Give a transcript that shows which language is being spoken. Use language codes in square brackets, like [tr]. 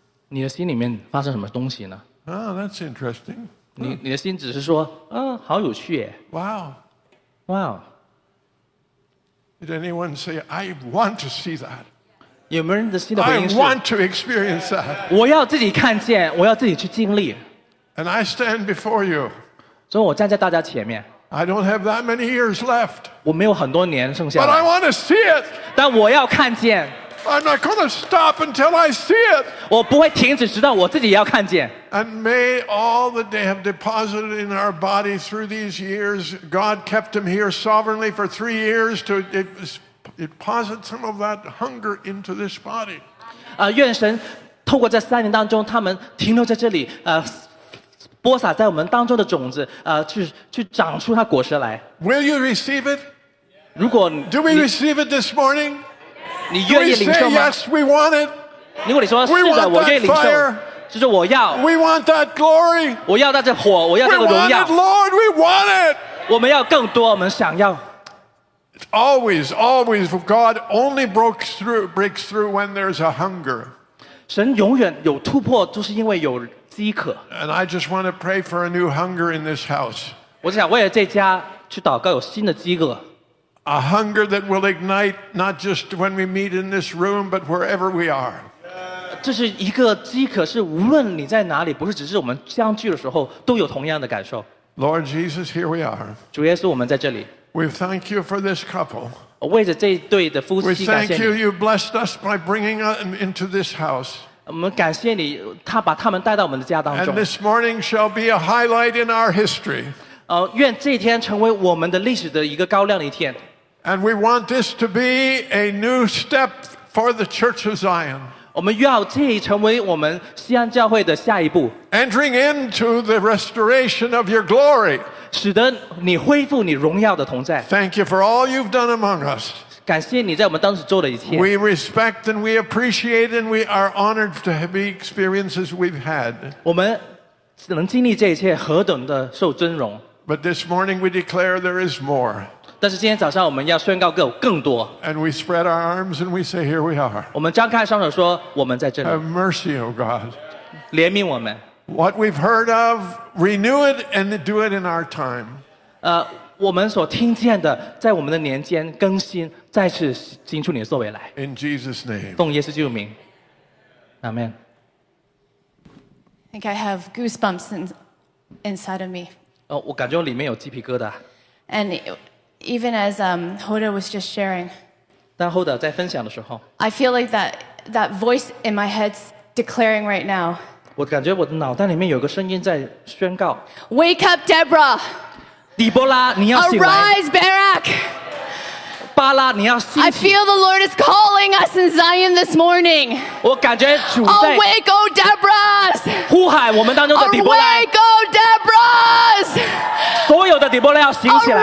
[zh] 你的心里面发生什么东西呢 [en] ？Oh, that's interesting. [zh] 你的心只是说，好有趣耶 [en] ！Wow, wow. Did anyone say I want to see that? [zh] 有没有人的心的回应是 [en] ？I want to experience that. [zh] 我要自己看见，我要自己去经历。 [en] And I stand before you. [zh] 所以我站在大家前面。 [en] I don't have that many years left. [zh] 我没有很多年剩下。 [en] But I want to see it. [zh] 但我要看见。 [en] I'm not going to stop until I see it. [zh] 我不会停止，直到我自己要看见。 [en] And may all that they have deposited in our body through these years, God kept them here sovereignly for 3 years to deposit some of that hunger into this body. [zh] 愿神透过这三年当中，他们停留在这里，播撒在我们当中的种子，去长出它果实来。 [en] Will you receive it? [zh] 如果 [en] Do we receive it this morning? [zh] 你愿意领受吗 [en] ？We say yes, we want it. [zh] 如果你说是的，我愿意领受，就是我要。 [en] We want that glory. [zh] 我要那这火，我要这个荣耀。 [en] We want it, Lord. We want it. [zh] 我们要更多，我们想要。 [en] Always, always, God only breaks through when there's a hunger. [zh] 神永远有突破，就是因为有。 [en] And I just want to pray for a new hunger in this house. [zh] 我想为了这家去祷告，有新的饥饿。 [en] A hunger that will ignite not just when we meet in this room, but wherever we are. [zh] 这是一个饥渴，是无论你在哪里，不是只是我们相聚的时候都有同样的感受。 [en] Lord Jesus, here we are. [zh] 主耶稣，我们在这里。 [en] We thank you for this couple. [zh] 为着这对的夫妻感谢你。 [en] We thank you. You blessed us by bringing them into this house. [zh] 我们感谢你，他把他们带到我们的家当中。 [en] And this morning shall be a highlight in our history. [zh] 愿这一天成为我们的历史的一个高亮的一天。 [en] And we want this to be a new step for the Church of Zion. [zh] 我们要这成为我们西安教会的下一步。 [en] Entering into the restoration of your glory. [zh] 使得你恢复你荣耀的同在。 [en] Thank you for all you've done among us. [zh] 感谢你在我们当时做的一切。 [en] We respect and we appreciate and we are honored to have the experiences we've had. [zh] 我们能经历这一切何等的受尊荣。 [en] But this morning we declare there is more. [zh] 但是今天早上我们要宣告有更多。 [en] And we spread our arms and we say here we are. [zh] 我们张开双手说我们在这里。 [en] Have mercy, O God. [zh] 怜悯我们。 [en] What we've heard of, renew it and do it in our time. [zh] 我们所听见的，在我们的年间更新，再次行出你的作为来。 [en] In Jesus' name. [zh] 奉耶稣基督名 ，Amen. [en] I think I have goosebumps inside of me. [zh] 我感觉我里面有鸡皮疙瘩。 [en] And even as Hoda was just sharing. [zh] 当 Hoda 在分享的时候 [en] ，I feel like that voice in my head's declaring right now. [zh] 我感觉我的脑袋里面有个声音在宣告 [en] ，Wake up, Deborah. [zh] 底波拉，你要醒来。 [en] Arise, Barak. [zh] 巴拉，你要醒。 [en] I feel the Lord is calling us in Zion this morning. [zh] 我感觉主在。 [en] Awake, O Deborahs. [zh] 呼喊我们当中的底波拉。 [en] Awake, O Deborahs. [zh] 所有的底波拉要醒起来。